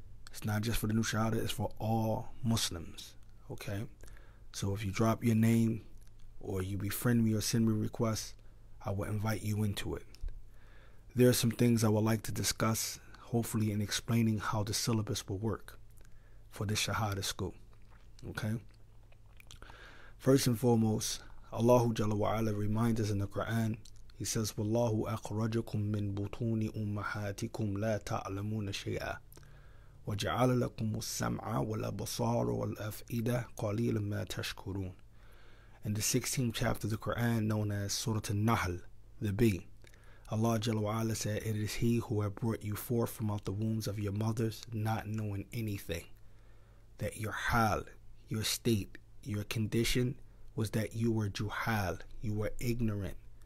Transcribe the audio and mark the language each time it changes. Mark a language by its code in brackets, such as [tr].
[en] It's not just for the new Shahada, it's for all Muslims. Okay? So if you drop your name or you befriend me or send me requests, I will invite you into it. There are some things I would like to discuss, hopefully in explaining how the syllabus will work for this Shahada school. Okay? First and foremost, Allahu Jalla wa Ala reminds us in the Quran, he says, [ar] وَاللَّهُ أَخْرَجَكُمْ مِنْ بُطُونِ أُمَّهَاتِكُمْ لَا تَعْلَمُونَ شَيْئًا وَجَعَلَ لَكُمُ السَّمْعَ وَالْأَبْصَارَ وَالْأَفْئِدَةَ قَلِيلًا مَا تَشْكُرُونَ. [en] In the 16th chapter of the Quran, known as Surah An-Nahl, the Bee, Allah Jalla wa Ala said, it is He who have brought you forth from out the wombs of your mothers, not knowing anything, that your hal, your state, your condition was that you were juhal, you were ignorant.